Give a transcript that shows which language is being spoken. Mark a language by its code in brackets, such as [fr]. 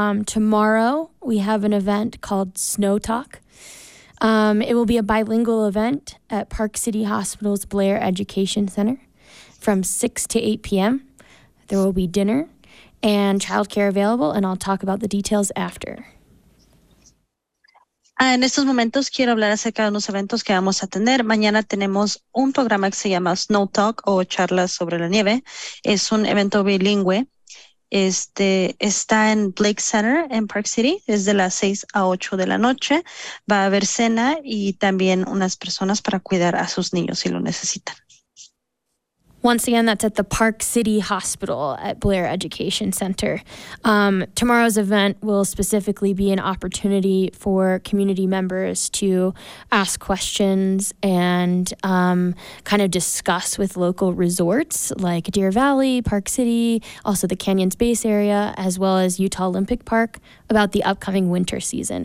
[en] Tomorrow we have an event called Snow Talk. It will be a bilingual event at Park City Hospital's Blair Education Center from 6 to 8 p.m. There will be dinner and childcare available, and I'll talk about the details after. [es] En estos momentos quiero hablar acerca de unos eventos que vamos a tener. Mañana tenemos un programa que se llama Snow Talk o Charlas sobre la Nieve. Es un evento bilingüe. Está en Blake Center en Park City. Es de las 6 a 8 de la noche. Va a haber cena y también unas personas para cuidar a sus niños si lo necesitan. [en] Once again, that's at the Park City Hospital at Blair Education Center. Tomorrow's event will specifically be an opportunity for community members to ask questions and kind of discuss with local resorts like Deer Valley, Park City, also the Canyons Base area, as well as Utah Olympic Park about the upcoming winter season.